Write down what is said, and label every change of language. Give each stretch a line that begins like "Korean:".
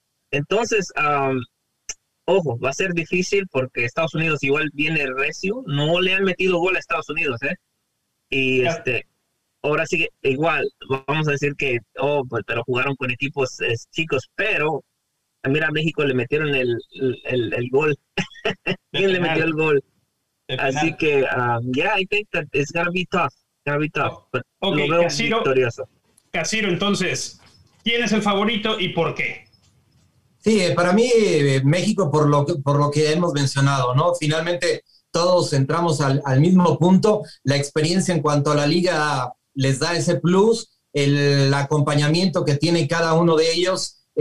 Spanish: Entonces, ojo, va a ser difícil porque Estados Unidos igual viene recio. No le han metido gol a Estados Unidos, Y yeah. Ahora sí, igual, vamos a decir que, pero jugaron con equipos chicos. Pero, mira, a México le metieron el gol. ¿Quién le metió el gol? Así que,
English: I think that it's going to be tough. But okay,
Spanish: lo veo Kaziro, victorioso. Kaziro, entonces, ¿quién es el favorito y por qué? Sí, para mí México por lo que hemos mencionado, ¿no? Finalmente todos entramos al mismo punto. La experiencia en cuanto a la liga les da ese plus, el acompañamiento que tiene cada uno de ellos